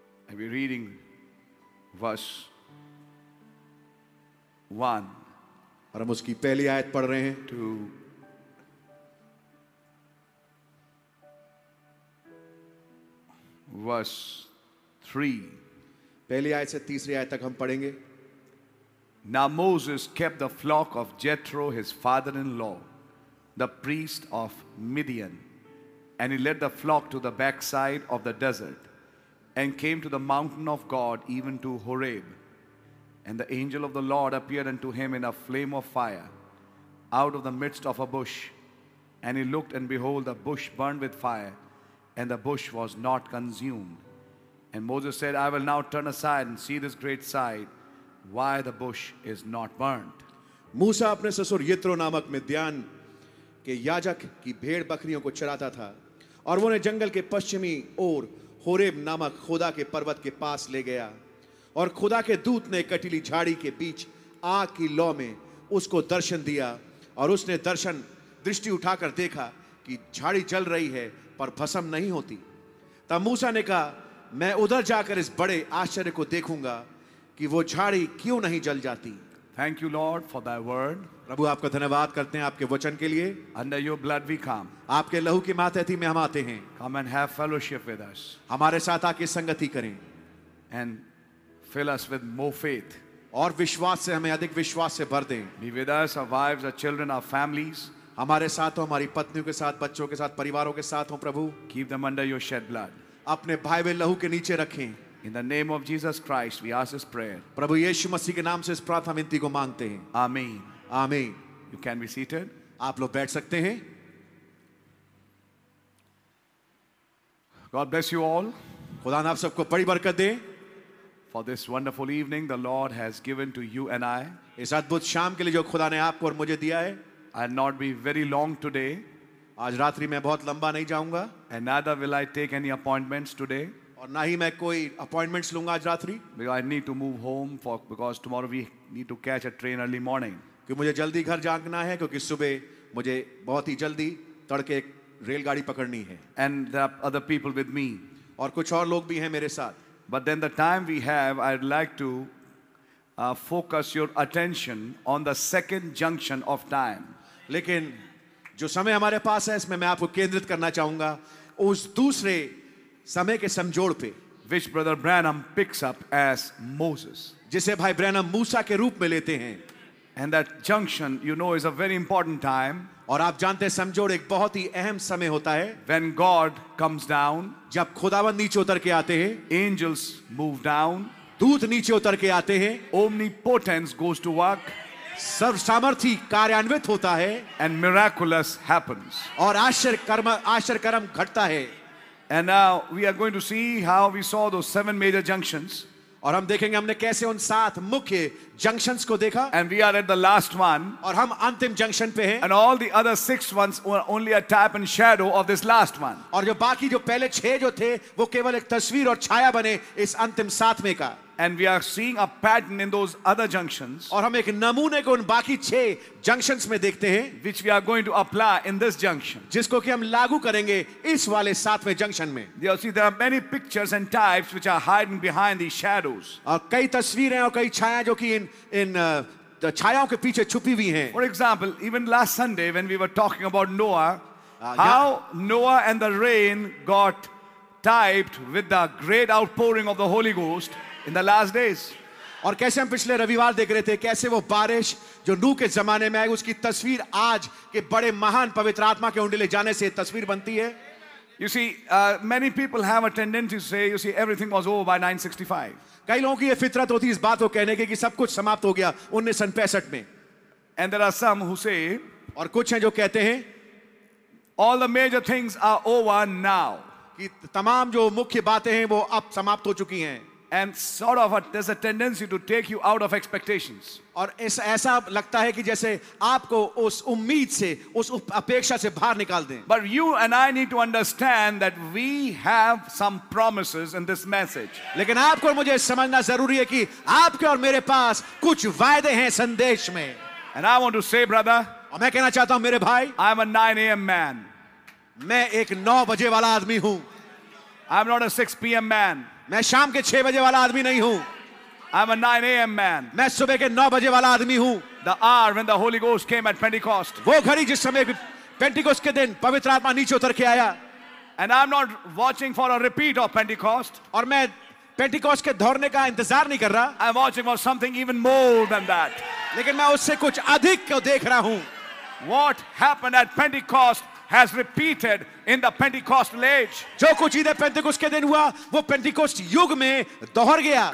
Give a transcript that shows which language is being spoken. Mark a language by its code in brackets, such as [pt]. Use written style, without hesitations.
[en] I'll be reading verse 1. [hi] और हम उसकी पहली आयत पढ़ रहे हैं. [en] 2. Verse 3. [hi] पहली आयत से तीसरी आयत तक हम पढ़ेंगे. [en] Now Moses kept the flock of Jethro, his father-in-law, the priest of Midian. And he led the flock to the backside of the desert and came to the mountain of God, even to Horeb. And the angel of the Lord appeared unto him in a flame of fire out of the midst of a bush. And he looked, and behold, the bush burned with fire, and the bush was not consumed. And Moses said, I will now turn aside and see this great sight, why the bush is not burnt. [hi] मूसा अपने ससुर यित्रो नामक मिद्यान के याजक की भेड़ बकरियों को चराता था, और वो ने जंगल के पश्चिमी ओर होरेब नामक खुदा के पर्वत के पास ले गया, और खुदा के दूत ने कटीली झाड़ी के बीच आग की लौ में उसको दर्शन दिया, और उसने दर्शन दृष्टि उठाकर देखा कि झाड़ी जल रही है पर भस्म नहीं होती. तब मूसा ने कहा, मैं उधर जाकर इस बड़े आश्चर्य को देखूंगा कि वो झाड़ी क्यों नहीं जल जाती. [en] Thank you Lord for thy word. [hi] प्रभु आपका धन्यवाद करते हैं आपके वचन के लिए. [en] Under your blood we come. [hi] आपके लहू के मातहती में हम आते हैं. [en] Come and have fellowship with us. [hi] हमारे साथ आके संगति करें. [en] And fill us with more faith. [hi] और विश्वास से हमें अधिक विश्वास से भर दें. [en] Be with us our wives our children our families. [hi] हमारे साथ हो, हमारी पत्नियों के साथ, बच्चों के साथ, परिवारों के साथ हो प्रभु. [en] Keep them under your shed blood. [hi] अपने भाई वे लहू के नीचे रखें. [en] In the name of Jesus Christ, we ask this prayer. [hi] प्रभु यीशु मसीह के नाम से इस प्रार्थना विनती को मांगते हैं. आमीन. आमीन. [en] You can be seated. [hi] आप लोग बैठ सकते हैं. [en] God bless you all. [hi] खुदा आप सबको बड़ी बरकत दे. [en] For this wonderful evening, the Lord has given to you and I. [hi] इस अद्भुत शाम के लिए जो खुदा ने आपको और मुझे दिया है. [en] I'll not be very long today. [hi] आज रात्रि मैं बहुत लंबा नहीं जाऊंगा. [en] And neither will I take any appointments today. [hi] और ना ही मैं कोई अपॉइंटमेंट्स लूंगा आज रात्रि. [en] Because I need to move home for because tomorrow we need to catch a train early morning. [hi] कि मुझे जल्दी घर जाना है क्योंकि सुबह मुझे बहुत ही जल्दी तड़के एक रेलगाड़ी पकड़नी है. [en] And there are other people with me. [hi] और कुछ और लोग भी हैं मेरे साथ. [en] But then the time we have, I'd like to focus your attention on the second junction of time. [hi] लेकिन जो समय हमारे पास है इसमें मैं आपको केंद्रित करना चाहूंगा उस दूसरे समय के समझोड़ पे. [en] Which brother Branham picks up as Moses. [hi] जिसे भाई ब्रैनम मूसा के रूप में लेते हैं. [en] And that junction, you know, is a very important time. [hi] और आप जानते हैं समझोड़ एक बहुत ही अहम समय होता है. [en] When God comes down. [hi] जब खुदावंद नीचे उतर के आते हैं. [en] Angels move down. [hi] दूत नीचे उतर के आते हैं. [en] Omnipotence goes to work. [hi] सर्व सामर्थ्य कार्यान्वित होता है. [en] And miraculous happens. [hi] और आश्चर्यकर्म घटता है. [en] And now we are going to see how we saw those seven major junctions. [hi] और हम देखेंगे हमने कैसे उन सात मुख्य junctions को देखा. [en] And we are at the last one. [hi] और हम अंतिम junction पे हैं. [en] And all the other six ones were only a type and shadow of this last one. [hi] और जो बाकी जो पहले छह जो थे वो केवल एक तस्वीर और छाया बने इस अंतिम सातवें का. [en] And we are seeing a pattern in those other junctions. [hi] और हम एक नमूने को उन बाकी छह junctions में देखते हैं. [en] Which we are going to apply in this junction. [hi] जिसको कि हम लागू करेंगे इस वाले सातवें junction में. [en] You see, there are many pictures and types which are hiding behind these shadows. [hi] और कई तस्वीरें और कई छाया जो कि इन छायाओं के पीछे छुपी हुई हैं. [en] For example, even last Sunday when we were talking about Noah, how Noah and the rain got typed with the great outpouring of the Holy Ghost. In the last days. [hi] और कैसे हम पिछले रविवार देख रहे थे कैसे वो बारिश जो नूह के जमाने में आई उसकी तस्वीर आज के बड़े महान पवित्र आत्मा के उंडेले जाने से तस्वीर बनती है. [en] You see, many people have a tendency to say, you see, everything was over by 965. [hi] कई लोगों की ये फितरत होती है इस बात को कहने की कि सब कुछ समाप्त हो गया 1965 में. [en] And there are some who say, [hi] और कुछ हैं जो कहते हैं, [en] all the major things are over now. [hi] कि तमाम जो मुख्य बातें हैं वो अब समाप्त हो चुकी हैं. [en] And sort of there's a tendency to take you out of expectations. [hi] और ऐसा लगता है कि जैसे आपको उस उम्मीद से उस अपेक्षा से बाहर निकाल दें. [en] But you and I need to understand that we have some promises in this message. [hi] लेकिन आपको मुझे समझना जरूरी है कि आपके और मेरे पास कुछ वायदे हैं संदेश में. [en] And I want to say, brother. [hi] और मैं कहना चाहता हूँ मेरे भाई. [en] I'm a 9 a.m. man. [hi] मैं एक 9 बजे वाला आदमी हूँ. [en] I'm not a 6 p.m. man. [hi] मैं शाम के 6 बजे वाला आदमी नहीं हूं. [en] I'm a 9 a.m. man. [hi] मैं सुबह के 9 बजे वाला आदमी हूं. [en] The hour when the Holy Ghost came at Pentecost. [hi] वो घड़ी जिस समय पेंटिकोस्ट के दिन पवित्र आत्मा नीचे उतर के आया. [en] And I'm not watching for a repeat of Pentecost. [hi] और मैं पेंटिकोस्ट के दौड़ने का इंतजार नहीं कर रहा. [en] I'm watching for something even more than that. [hi] लेकिन मैं उससे कुछ अधिक को देख रहा हूं. [en] What happened at Pentecost has repeated in the Pentecostal age. [hi] जो कुछ इधर पेंटिकोस्ट के दिन हुआ वो पेंटिकोस्ट युग में दोहर गया.